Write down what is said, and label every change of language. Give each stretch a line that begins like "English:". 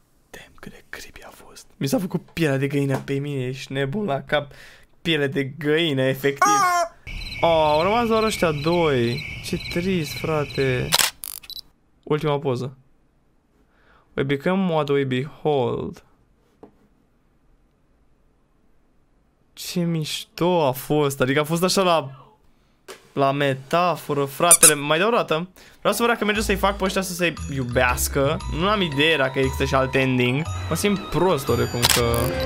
Romanian: Damn, cât de creepy a fost. Mi s-a făcut pielea de găină pe mine, ești nebun la cap. Piele de găină, efectiv. Oh, au rămas doar ăștia doi. Ce trist, frate. Ultima poză.
English: We become what we behold.
Romanian: Ce mișto a fost. Adică a fost așa la metaforă, fratele. Mai dau o dată. Vreau să văd dacă merge să-i fac pe ăștia să se iubească. Nu am idee dacă există și alt ending. Mă simt prost oricum că...